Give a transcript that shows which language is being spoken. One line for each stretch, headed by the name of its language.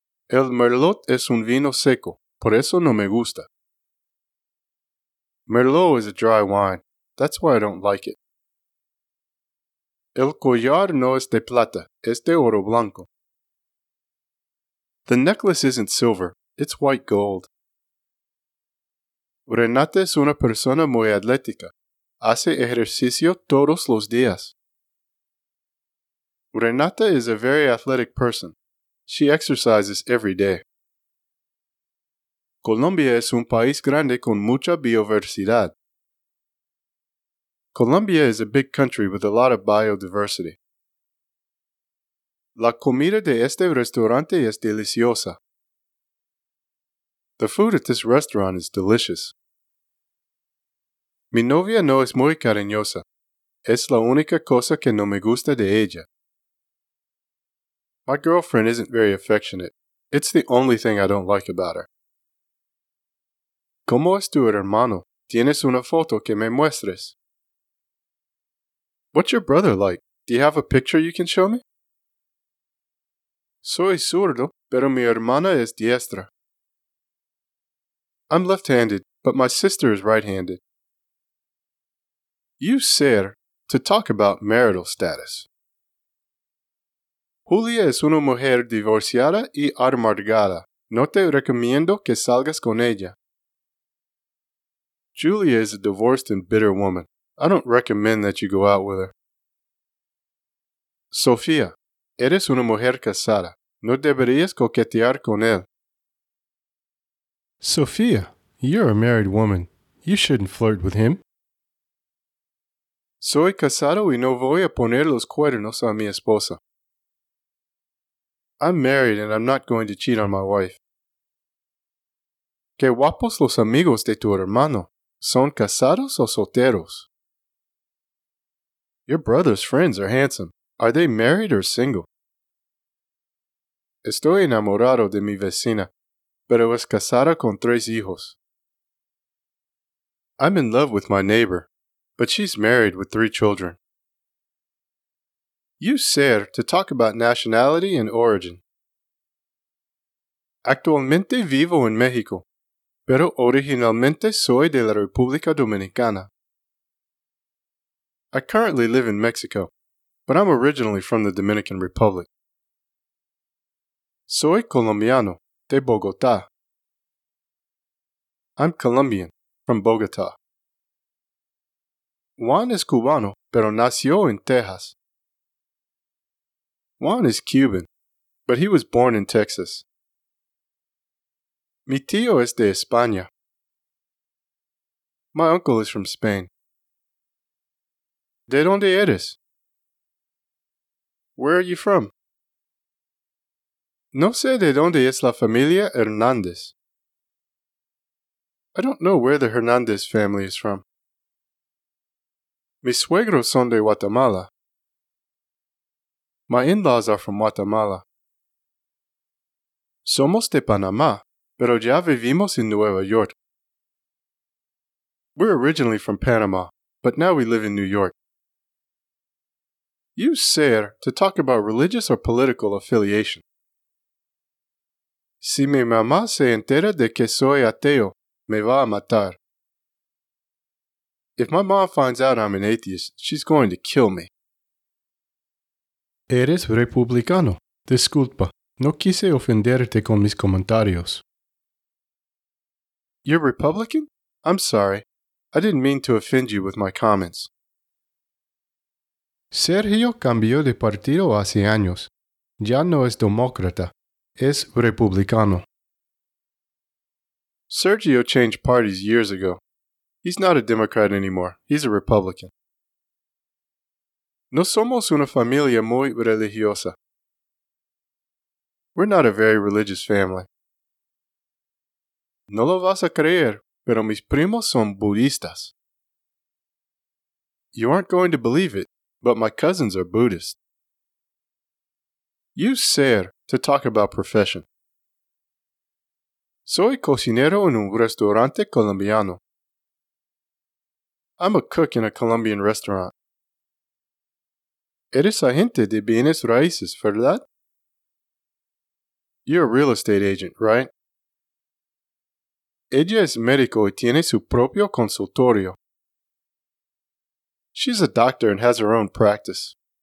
Spanish: El Merlot es un vino seco, por eso no me gusta.
English: Merlot is a dry wine. That's why I don't like it.
Spanish: El collar no es de plata, es de oro blanco.
English: The necklace isn't silver, it's white gold.
Spanish: Renata es una persona muy atlética. Hace ejercicio todos los días.
English: Renata is a very athletic person. She exercises every day.
Spanish: Colombia es un país grande con mucha biodiversidad.
English: Colombia is a big country with a lot of biodiversity.
Spanish: La comida de este restaurante es deliciosa.
English: The food at this restaurant is delicious.
Spanish: Mi novia no es muy cariñosa. Es la única cosa que no me gusta de ella.
English: My girlfriend isn't very affectionate. It's the only thing I don't like about her.
Spanish: ¿Cómo es tu hermano? ¿Tienes una foto que me muestres?
English: What's your brother like? Do you have a picture you can show me?
Spanish: Soy zurdo, pero mi hermana es diestra.
English: I'm left-handed, but my sister is right-handed. You ser, to talk about marital status.
Spanish: Julia es una mujer divorciada y amargada. No te recomiendo que salgas con ella.
English: Julia is a divorced and bitter woman. I don't recommend that you go out with her.
Spanish: Sofía, eres una mujer casada. No deberías coquetear con él.
English: Sofía, you're a married woman. You shouldn't flirt with him.
Spanish: Soy casado y no voy a poner los cuernos a mi esposa.
English: I'm married and I'm not going to cheat on my wife.
Spanish: Qué guapos los amigos de tu hermano. ¿Son casados o solteros?
English: Your brother's friends are handsome. Are they married or single?
Spanish: Estoy enamorado de mi vecina, pero es casada con tres hijos.
English: I'm in love with my neighbor, but she's married with three children. Use ser to talk about nationality and origin.
Spanish: Actualmente vivo en México, pero originalmente soy de la República Dominicana.
English: I currently live in Mexico, but I'm originally from the Dominican Republic.
Spanish: Soy colombiano, de Bogotá.
English: I'm Colombian, from Bogotá.
Spanish: Juan es cubano, pero nació en Texas.
English: Juan is Cuban, but he was born in Texas.
Spanish: Mi tío es de España.
English: My uncle is from Spain.
Spanish: ¿De dónde eres?
English: Where are you from?
Spanish: No sé de dónde es la familia Hernández.
English: I don't know where the Hernández family is from.
Spanish: Mis suegros son de Guatemala.
English: My in-laws are from Guatemala.
Spanish: Somos de Panamá, pero ya vivimos en Nueva York.
English: We're originally from Panama, but now we live in New York. Use ser to talk about religious or political affiliation.
Spanish: Si mi mamá se entera de que soy ateo, me va a matar.
English: If my mom finds out I'm an atheist, she's going to kill me.
Spanish: Eres republicano. Disculpa, no quise ofenderte con mis comentarios.
English: You're Republican? I'm sorry. I didn't mean to offend you with my comments.
Spanish: Sergio cambió de partido hace años. Ya no es demócrata, es republicano.
English: Sergio changed parties years ago. He's not a Democrat anymore. He's a Republican.
Spanish: No somos una familia muy religiosa.
English: We're not a very religious family.
Spanish: No lo vas a creer, pero mis primos son budistas.
English: You aren't going to believe it, but my cousins are Buddhist. Use ser to talk about profession.
Spanish: Soy cocinero en un restaurante colombiano.
English: I'm a cook in a Colombian restaurant.
Spanish: Eres agente de bienes raíces, ¿verdad?
English: You're a real estate agent, right?
Spanish: Ella es médico y tiene su propio consultorio.
English: She's a doctor and has her own practice.